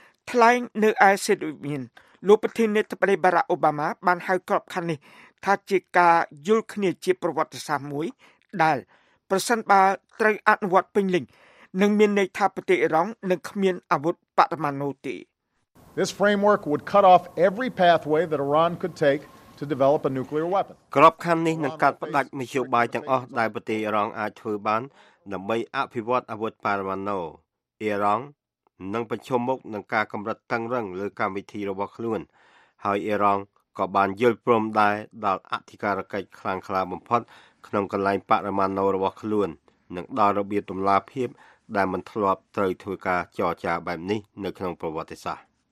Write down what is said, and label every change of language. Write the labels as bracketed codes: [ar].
[km] ថ្លែងនៅឯសេតវិមានលោកប្រធានាធិបតីបារ៉ាក់អូបាម៉ាបានហៅក្របខ័ណ្ឌនេះថាជាការយល់គ្នាជាប្រវត្តិសាស្ត្រមួយដែលប្រសិនបើត្រូវអនុវត្តពេញលេញនឹងមានន័យថាប្រទេសអ៊ីរ៉ង់នឹងគ្មានអាវុធបដិមាណូទេ [en] This framework would cut off every pathway that Iran could take to develop a nuclear weapon [km] ក្របខ័ណ្ឌនេះនឹងកាត់ផ្តាច់មធ្យោបាយទាំងអស់ដែលប្រទេសអ៊ីរ៉ង់អាចធ្វើបានដើម្បីអភិវឌ្ឍអាវុធបដិមាណូអ៊ីរ៉ង់នឹងប្រជុំមុខនឹងការកម្រិតតឹងរឹងលើកម្មវិធីរបស់ខ្លួនហើយអ៊ីរ៉ង់ក៏បានយល់ព្រមដែរដល់អធិការកិច្ចខ្លាំងក្លាបំផុតក្នុងកលលែងបរិមាណូរបស់ខ្លួននឹងដល់របៀបទម្លាប់ភាពដែលមិនធ្លាប់ត្រូវធ្វើការចរចាបែបនេះនៅក្នុងប្រវត្តិសាស្ត្រ